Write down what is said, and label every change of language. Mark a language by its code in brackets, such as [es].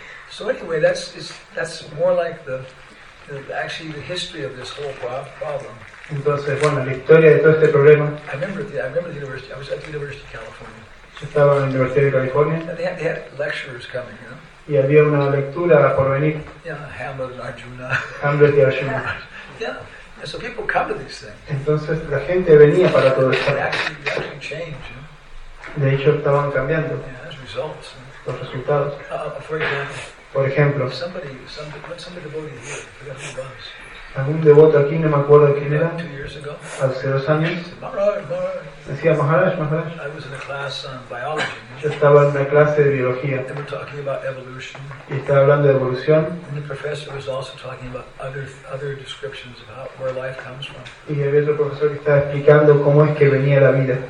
[en] So anyway, that's more like the history of this whole problem. [es] Entonces, bueno, la historia de todo este problema. [en] I remember the university. I was at the University of California. [es] Yo estaba en la Universidad de California. [en] And they had lecturers coming, you know. [es] Y había una lectura por venir. [en] Yeah, Hamlet and Arjuna. [es] Hamlet y Arjuna. [en] And so people come to these things. [es] Entonces la gente venía para todo esto. [en] They actually change, you know? [es] De hecho estaban cambiando. [en] Yeah, as results, [es] los resultados. [en] For example, somebody devoted here. I forgot who it was. [es] Algún devoto aquí, no me acuerdo de quién era. Hace dos años. Decía Maharaj. [en] I was in a class on biology. [es] Yo estaba en una clase de biología. [en] And we're talking about evolution. [es] Y estaba hablando de evolución. [en] And the professor was also talking about other descriptions of where life comes from. [es] Y había otro profesor que estaba explicando cómo es que venía la vida.